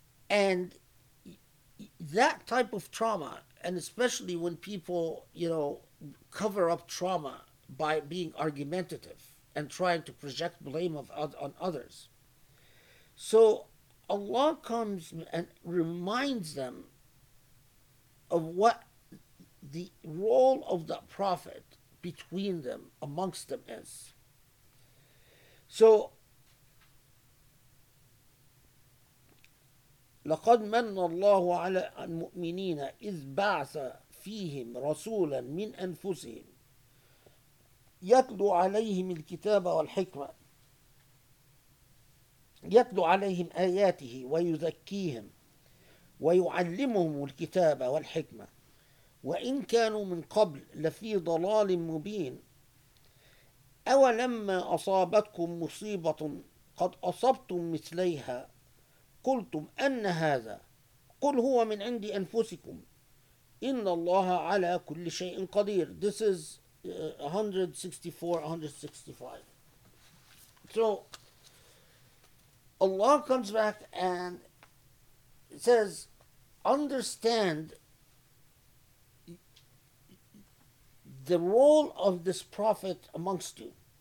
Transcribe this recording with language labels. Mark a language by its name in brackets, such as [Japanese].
[English] And that type of trauma, and especially when people, you know, cover up trauma by being argumentative and trying to project blame on others. So Allah comes and reminds them of what the role of the prophet between them, amongst them is. [Arabic] So, لَقَدْ مَنَّ اللَّهُ عَلَى الْمُؤْمِنِينَ إِذْ بَعْثَ فِيهِمْ رَسُولًا مِنْ أَنفُسِهِمْ يَتْلُو عَلَيْهِمِ الْكِتَابَ وَالْحِكْمَةِ يتلو عليهم آياته ويزكيهم ويعلمهم الكتاب والحكمة وإن كانوا من قبل لفي ضلال مبين أولما أصابتكم مصيبة قد أصبتم مثليها قلتم أن هذا قل هو من عند أنفسكم إن الله على كل شيء قدير. [English] This is 164-165. So Allah comes back and says, understand the role of this prophet amongst you